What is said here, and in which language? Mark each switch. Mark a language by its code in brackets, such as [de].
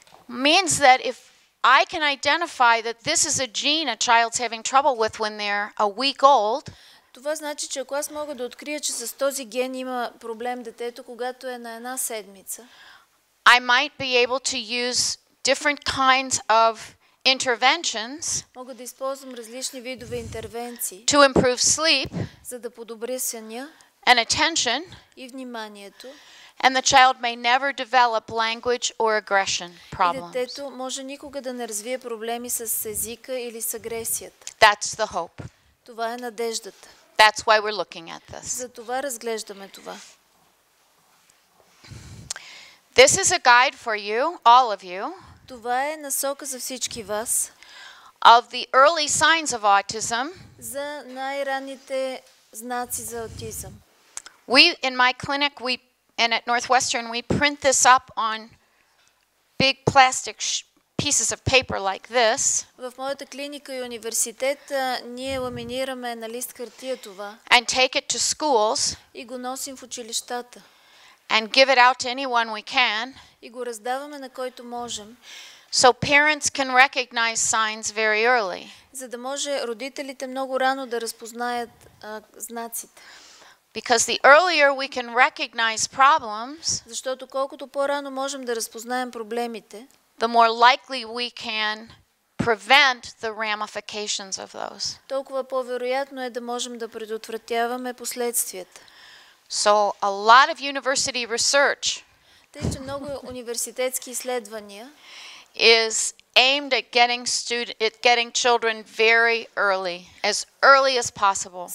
[en] Means that if I can identify that this is a gene a child's having trouble with when they're a week old. [bg] Това значи, че ако аз мога да открия, че с този ген има проблем детето, когато е на една седмица. [en] I might be able to use different kinds of interventions. [bg] Мога да използвам различни видове интервенции. [en] To improve sleep. [bg] За да подобря съня. [en] And attention. [bg] И вниманието. [en] And the child may never develop language or aggression problems. [bg] Детето може никога да не развие проблеми с езика или с агресията. [en] That's the hope. [bg] Това е надеждата. [en] That's why we're looking at this. [bg] Затова разглеждаме това. [en] This is a guide for you, all of you. [bg] Това е насока за всички вас. [en] Of the early signs of autism. [bg] За най-ранните знаци за аутизъм. [en] We in my clinic we and at Northwestern we print this up on big plastic pieces of paper like this. [bg] В моята клиника и университет ние ламинираме на лист хартия това. [en] And take it to schools. [bg] И го носим в училищата. [en] And give it out to anyone we can. [bg] И го раздаваме на който можем. [en] So parents can recognize signs very early. [bg] За да може родителите много рано да разпознаят знаците. [en] Because the earlier we can recognize problems, [bg] защото колкото по-рано можем да разпознаем проблемите, [en] the more likely we can prevent the ramifications of those. [bg] Толкова по-вероятно е да можем да предотвратяваме последствията. [en] So a lot of university research. [bg] Тъй че много университетски изследвания [en] is aimed at getting children very early as possible.